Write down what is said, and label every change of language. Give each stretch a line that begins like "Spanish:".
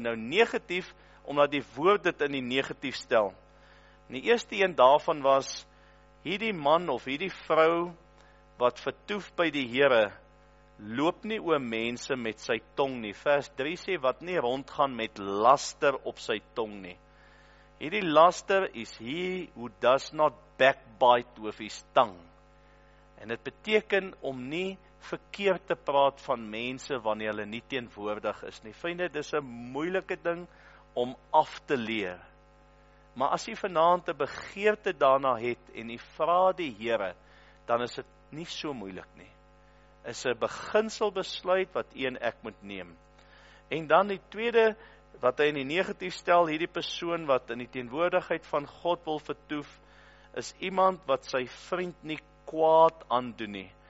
Afrikaans: Nou negatief, omdat die woord dit in die negatief stel. En die eerste een daarvan was, hierdie man of hierdie vrou, wat vertoef by die Here, loop nie oor mense met sy tong nie. Vers 3 sê, wat nie rondgaan met laster op sy tong nie. Hierdie laster is
English: he who does not backbite with his tongue.
Afrikaans: En het beteken om nie verkeerd te praat van mense wanneer hulle nie teenwoordig is nie. Vriende, dis 'n moeilike ding om af te leer. Maar as jy vanaand 'n begeerte daarna het en jy vra die Here, dan is dit nie so moeilik nie. Is 'n beginselbesluit wat een ek moet neem. En dan die tweede, wat hy in die negatief stel, hierdie persoon wat in die teenwoordigheid van God wil vertoef, is iemand wat sy vriend nie kwaad aandoen nie.